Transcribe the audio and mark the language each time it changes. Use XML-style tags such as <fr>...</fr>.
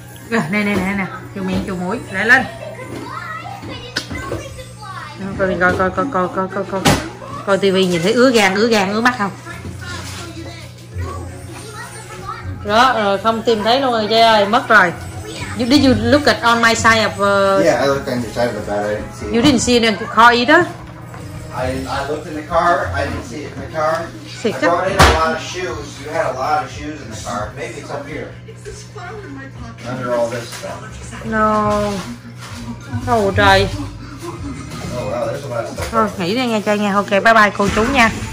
<vi>Rồi, nè nè nè nè, chùi miệng chùi mũi, lại lên. Coi coi coi coi coi coi coi coi coi tivi nhìn thấy ứa gan ứa mắt không? Đó, rồi không tìm thấy luôn rồi, trời ơi, mất rồi.</vi> <en>You, did you look at on my side of... Yeah, I looked on the side of the bed, I didn't see it. You didn't see it in the car either? I looked in the car, I didn't see it in the car. I brought in a lot of shoes, you had a lot of shoes in the car. Maybe it's up here. It's this flower in my pocket. Under all this stuff. No. Oh, trời. Oh, wow, there's a lot of stuff.</en> <vi>Thôi, nghỉ đi nghe chơi nghe. Ok, bye bye cô chú nha.</vi>